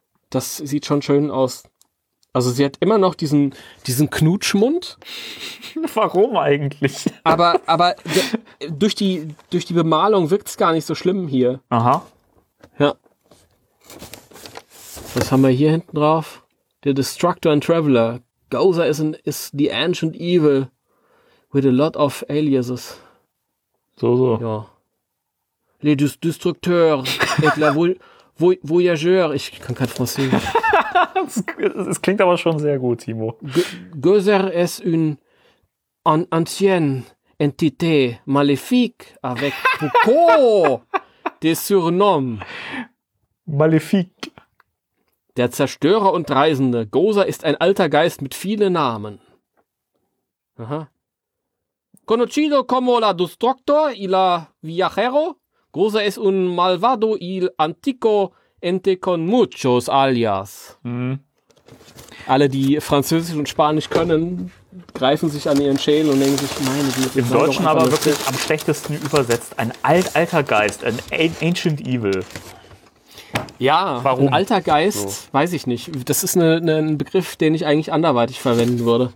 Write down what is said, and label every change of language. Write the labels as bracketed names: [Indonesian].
[German] Das sieht schon schön aus. Also sie hat immer noch diesen Knutschmund. Warum eigentlich? Aber durch die Bemalung wirkt es gar nicht so schlimm hier. Aha. Ja. Was haben wir hier hinten drauf? [English] Der Destructor and Traveler. Gozer is the ancient evil with a lot of aliases. [German] So. Ja. [French] Le Destructeur et la Voyageur. [German] Ich kann kein Französisch. Es klingt aber schon sehr gut, Timo. [French] Gozer est une ancienne entité maléfique avec beaucoup de surnom. Maléfique. [German] Der Zerstörer und Reisende. Gozer ist ein alter Geist mit vielen Namen. Aha. [Spanish] Conocido como la Destructor y la Viajero. Gozer es un malvado y antico ente con muchos alias. Mhm. [German] Alle, die Französisch und Spanisch können, greifen sich an ihren Schädel und denken sich, meine Güte. Im Deutschen aber wirklich am schlechtesten übersetzt. Ein alter Geist, ein [English] ancient evil. [German] Ja, warum? Ein alter Geist, so. Weiß ich nicht. Das ist ein Begriff, den ich eigentlich anderweitig verwenden würde.